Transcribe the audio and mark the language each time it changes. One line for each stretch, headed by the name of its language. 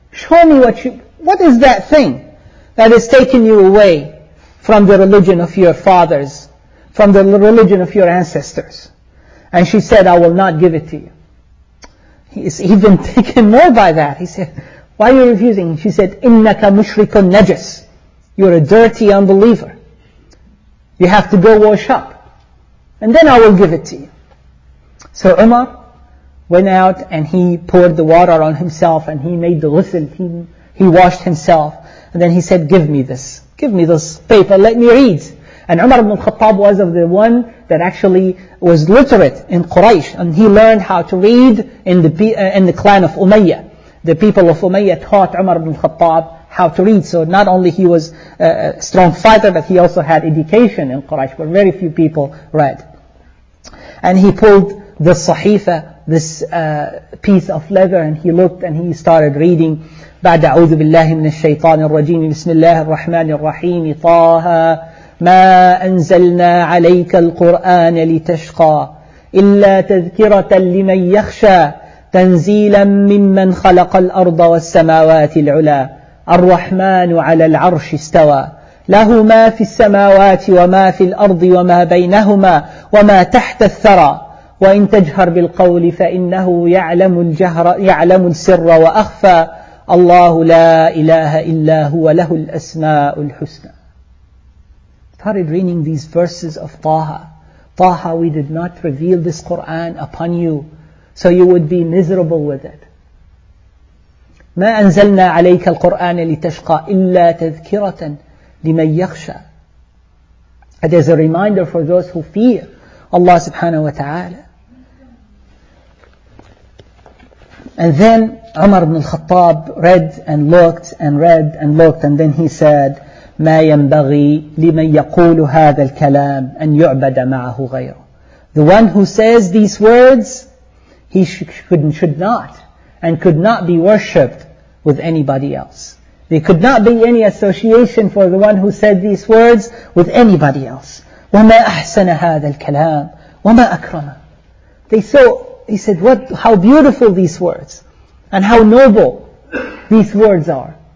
English: Show me what is that thing that is taking you away from the religion of your fathers, from the religion of your ancestors? And she said, I will not give it to you. He is even taken more by that. He said, why are you refusing? She said,
Arabic: إِنَّكَ مُشْرِكٌ نَجِسْ.
English: You're a dirty unbeliever. You have to go wash up. And then I will give it to you. So Umar went out and he poured the water on himself and he made the ghusl. He washed himself. And then he said, give me this. Give me this paper. Let me read. And Umar ibn Khattab was of the one that actually was literate in Quraysh. And he learned how to read in the clan of Umayyah. The people of Umayyah taught Umar ibn Khattab how to read. So not only he was a strong fighter, but he also had education in Quraysh, but very few people read. And he pulled the sahifa, this piece of leather, and he looked and he started reading.
Arabic: بعد أعوذ بالله من الشيطان الرجيم بسم الله الرحمن الرحيم طه ما أنزلنا عليك القرآن لتشقى إلا تذكرة لمن يخشى تنزيلا ممن خلق الأرض والسماوات العلا الرحمن على العرش استوى له ما في السماوات وما في الأرض وما بينهما وما تحت الثرى وإن تجهر بالقول فإنه يعلم الجهر يعلم السر وأخفى الله لا إله إلا هو له الأسماء الحسنى.
English: Started reading these verses of Taha. Taha, we did not reveal this Quran upon you, so you would be miserable with it.
Arabic: ما أنزلنا عليك القرآن لتشقى إلا تذكرة لمن يخشى.
English: It is a reminder for those who fear Allah subhanahu wa ta'ala. And then Umar ibn al-Khattab read and looked and read and looked, and then he said,
Arabic: ما ينبغي لمن يقول هذا الكلام أن يعبد معه غيره.
English: The one who says these words, he should not be worshipped with anybody else. There could not be any association for the one who said these words with anybody else.
Arabic: وما أحسن هذا الكلام وما أكرمه.
English: He said, "What? How beautiful these words, and how noble these words are."